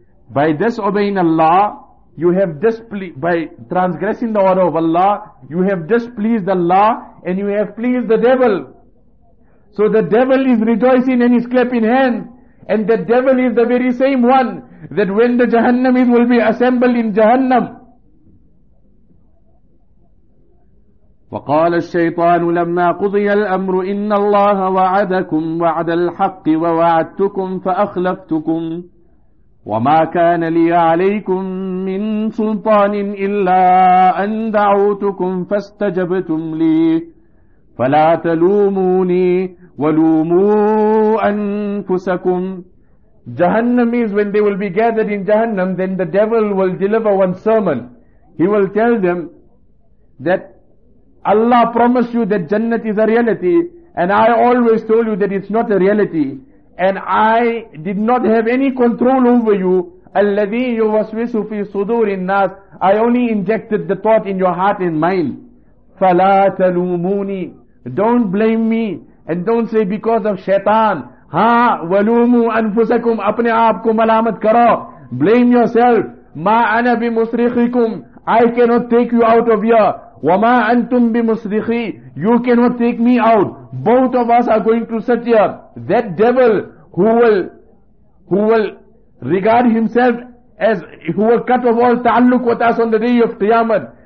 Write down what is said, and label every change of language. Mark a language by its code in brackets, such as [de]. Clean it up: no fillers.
[en] By disobeying Allah, you have displeased, by transgressing the order of Allah, you have displeased Allah and you have pleased the devil. So the devil is rejoicing and is clapping hands. And the devil is the very same one that when the Jahannamis will be assembled in Jahannam. [ar] وقال الشيطان لما قضي الأمر إن الله وعدكم وعد الحق ووعدتكم فأخلفتكم وما كان لي عليكم من سلطان إلا أن دعوتكم فاستجبتم لي فلا تلوموني ولوموا أنفسكم. [en] Jahannam is when they will be gathered in Jahannam, then the devil will deliver one sermon. He will tell them that Allah promised you that Jannat is a reality, and I always told you that it's not a reality, and I did not have any control over you. [ar] الَّذِي يُوَسْوِسُ فِي صُدُورِ النَّاسِ. [en] I only injected the thought in your heart and mind. [ar] فَلَا تَلُومُونِي. [en] Don't blame me, and don't say because of shaitan. [ar] Ha, وَلُومُوا أَنفُسَكُمْ. [ur] أَپْنِ آپْكُمْ مَلَامَتْ كَرَا. [en] Blame yourself. [ar] مَا أَنَا بِمُسْرِخِكُمْ. [en] I cannot take you out of here. [ar] وَمَا أَنْتُمْ بِمُسْرِخِي. [en] You cannot take me out. Both of us are going to Satya. That devil who will regard himself as, who will cut off all ta'alluq with us on the day of Qiyamah.